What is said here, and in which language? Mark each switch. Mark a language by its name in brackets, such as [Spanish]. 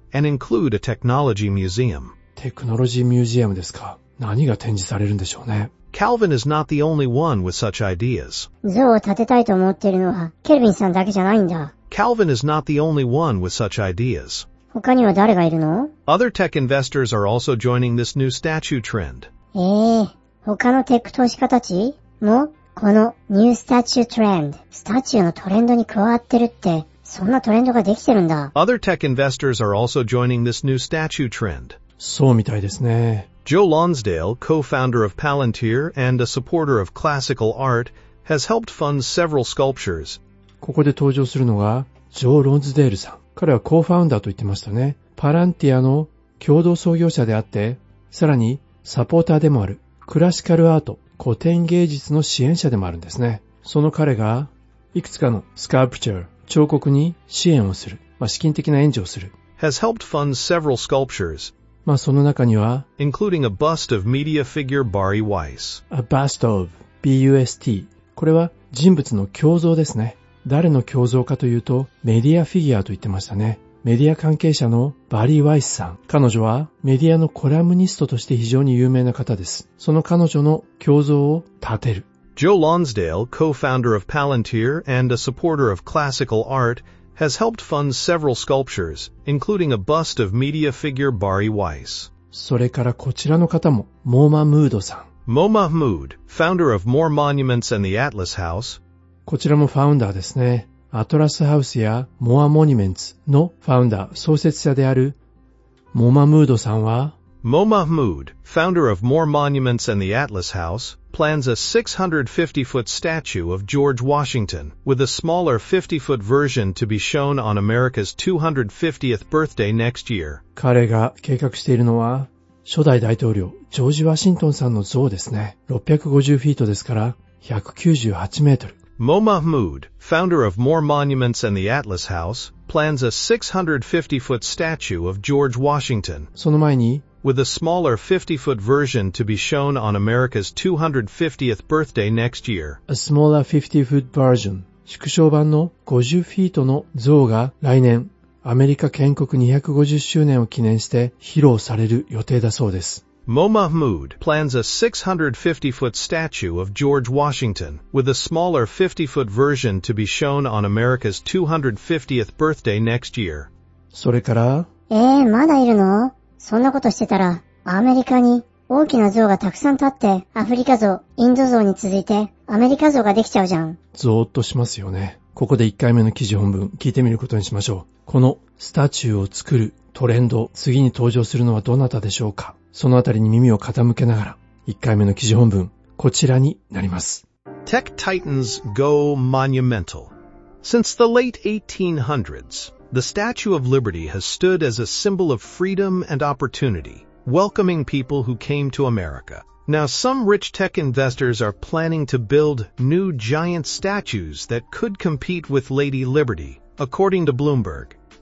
[English] And include a technology museum. [Japanese] テクノロジーミュージアムですか。何が展示されるんでしょうね。 [English] Calvin is not the only one with such ideas. [Japanese] 像を建てたいと思っているのはケルビンさんだけじゃないんだ。 [English] Calvin is not the only one with such ideas. [Japanese] 他には誰がいるの? [English] Other tech investors are also joining this new statue trend. [Japanese] 他のテック投資家たちもこの [English] new statue trend、 [Japanese] スタチューのトレンドに加わってるって、そんなトレンドができてるんだ。 [English] Other tech investors are also joining this new statue trend. [Japanese] そうみたいですね。 [English] Joe Lonsdale, co-founder of Palantir and a supporter of classical art, has helped fund several sculptures. [Japanese] ここで登場するのがジョー・ロンズデールさん。彼はコーファウンダーと言ってましたね。パランティアの共同創業者であって、さらにサポーターでもある。クラシカルアート、古典芸術の支援者でもあるんですね。その彼がいくつかのスカルプチャー、彫刻に支援をする。まあ資金的な援助をする。 [English] Has helped fund several sculptures. [Japanese] まあその中には [English] including a bust of media figure Barry Weiss. A bust of, B-U-S-T. [Japanese] これは人物の胸像ですね。誰の胸像かというと、メディアフィギュアと言ってましたね。メディア関係者のバリー・ワイスさん。彼女はメディアのコラムニストとして非常に有名な方です。その彼女の胸像を建てる。 [English] Joe Lonsdale, co-founder of Palantir and a supporter of classical art, has helped fund several sculptures, including a bust of media figure Barry Weiss. [Japanese] それからこちらの方も、モーマ・ムードさん。 [English] モーマ・ムード、founder of More Monuments and the Atlas House, [Japanese] こちらもファウンダーですね。アトラスハウスやモアモニュメンツのファウンダー、創設者であるモマムードさんは、 [English] モマムード、founder of More Monuments and the Atlas House, plans a 650-foot statue of George Washington, with a smaller 50-foot version to be shown on America's 250th birthday next year. [Japanese] 彼が計画しているのは、初代大統領、ジョージ・ワシントンさんの像ですね。 650フィートですから、198メートル。 [English] モーマフムード、founder of More Monuments and the Atlas House, plans a 650-foot statue of George Washington. [Japanese] その前に、 [English] with a smaller 50-foot version to be shown on America's 250th birthday next year. A smaller 50-foot version. [Japanese] 縮小版の50フィートの像が来年、アメリカ建国250周年を記念して披露される予定だそうです。 [English] Mo Mahmood plans a 650-foot statue of George Washington, with a smaller 50-foot version to be shown on America's 250th birthday next year. [Japanese] それから? まだいるの? そんなことしてたら、アメリカに大きな像がたくさん立って、アフリカ像、インド像に続いて、アメリカ像ができちゃうじゃん。ゾーッとしますよね。ここで1回目の記事本文、聞いてみることにしましょう。このスタチューを作るトレンド、次に登場するのはどなたでしょうか? そのあたりに耳を傾けながら、1回目の記事本文、こちらになります。 [English] Tech Titans Go Monumental. Since the late 1800s, the Statue of Liberty has stood as a symbol of freedom and opportunity, welcoming people who came to America. Now some rich tech investors are planning to build new giant statues that could compete with Lady Liberty, according to Bloomberg.